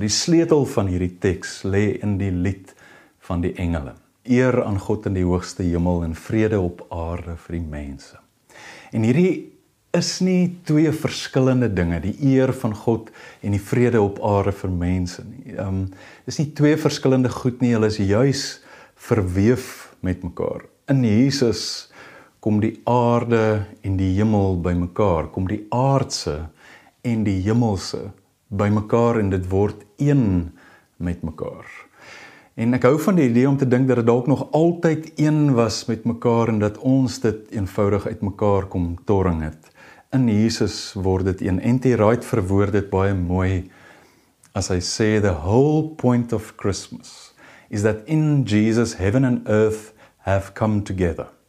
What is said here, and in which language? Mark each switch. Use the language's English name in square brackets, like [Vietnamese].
[Afrikaans] Die sleutel van hierdie teks lê in die lied van die engele. Eer aan God in die hoogste hemel en vrede op aarde vir die mense. En hierdie is nie twee verskillende dinge, die eer van God en die vrede op aarde vir mense nie. Is nie twee verskillende goed nie, hulle is juis verweef met mekaar. In Jesus kom die aarde en die hemel by mekaar, kom die aardse en die hemelse by mekaar en dit word een met mekaar. En ek hou van die idee om te dink dat dit dalk nog altyd een was met mekaar en dat ons dit eenvoudig uit mekaar kom torring het. In Jesus word dit een. N.T. [English] Wright [Afrikaans] verwoord dit baie mooi as hy sê, [English] the whole point of Christmas is that in Jesus heaven and earth have come together.